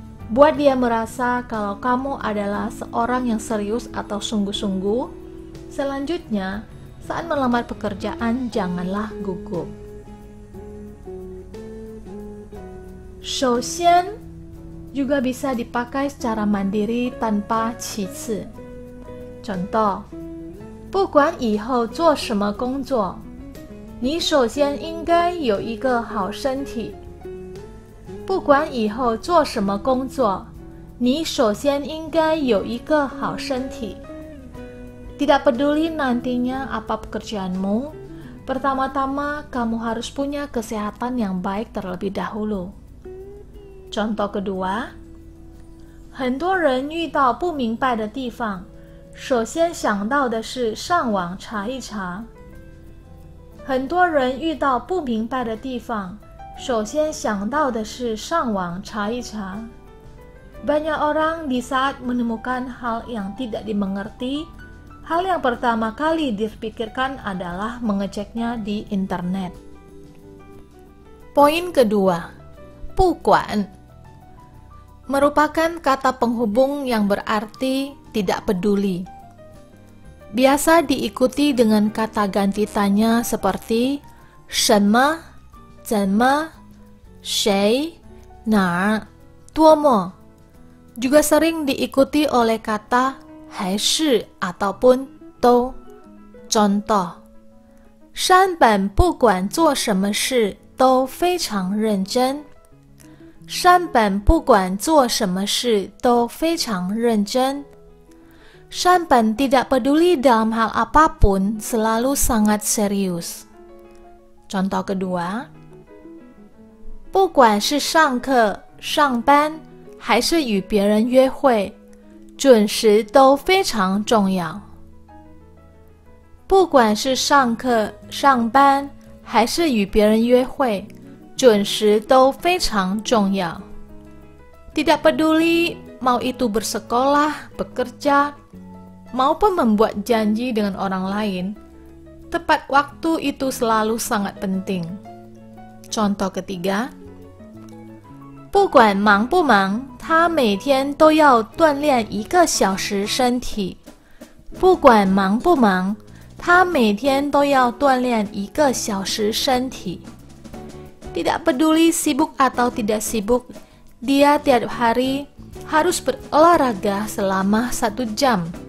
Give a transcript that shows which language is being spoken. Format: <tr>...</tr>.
<id>Buat dia merasa kalau kamu adalah seorang yang serius atau sungguh-sungguh. Selanjutnya, saat melamar pekerjaan, janganlah gugup. 首先 juga bisa dipakai secara mandiri tanpa 其次.</id> <zh>Contoh: 不管以后做什么工作，你首先应该有一个好身体。不管以后做什么工作，你首先应该有一个好身体。</zh> <id>Tidak peduli nantinya apa pekerjaanmu, pertama-tama kamu harus punya kesehatan yang baik terlebih dahulu. Contoh kedua,</id> <zh>很多人遇到不明白的地方，首先想到的是上网查一查。很多人遇到不明白的地方，首先想到的是上网查一查。</zh> <id>Banyak orang di saat menemukan hal yang tidak dimengerti, hal yang pertama kali dipikirkan adalah mengeceknya di internet. Poin kedua, 不管 merupakan kata penghubung yang berarti tidak peduli. Biasa diikuti dengan kata ganti tanya seperti 什么、怎么、谁、哪、多么。 Juga sering diikuti oleh kata 还是 ataupun都。</id> <zh>Contoh: 山本不管做什么事都非常认真。山本不管做什么事都非常认真。</zh> <id>山本 tidak peduli dalam hal apapun selalu sangat serius. Contoh kedua:</id> <zh>不管是上课、上班。还是与别人约会，准时都非常重要。不管是上课、上班，还是与别人约会，准时都非常重要。</zh> <id>Tidak peduli mau itu bersekolah, bekerja, maupun membuat janji dengan orang lain, tepat waktu itu selalu sangat penting. Contoh ketiga,</id> <zh>不管忙不忙。他每天都要锻炼一个小时身体，不管忙不忙，他每天都要锻炼一个小时身体。</zh> <id>Tidak peduli sibuk atau tidak sibuk, dia tiap hari harus berolahraga selama 1 jam.</id>